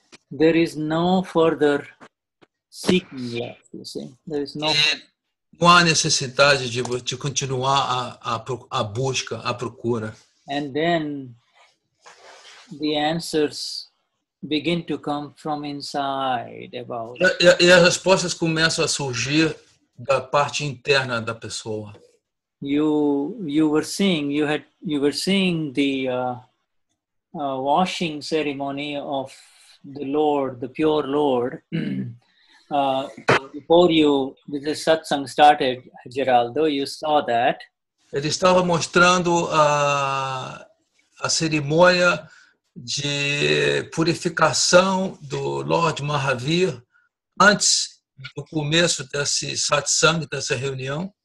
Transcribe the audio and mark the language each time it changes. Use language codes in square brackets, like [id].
[en] There is no further seeking left, you see. There is no. [pt] Não há necessidade de continuar a busca, a procura. [en] And then the answers begin to come from inside about. [pt] E as respostas começam a surgir da parte interna da pessoa. [en] You were seeing the washing ceremony of the Lord, the pure Lord. Before you, with the satsang started, Geraldo, you saw that. [pt] Ele estava mostrando a cerimônia de purificação do Lord Mahavir antes do começo desse satsang, dessa reunião.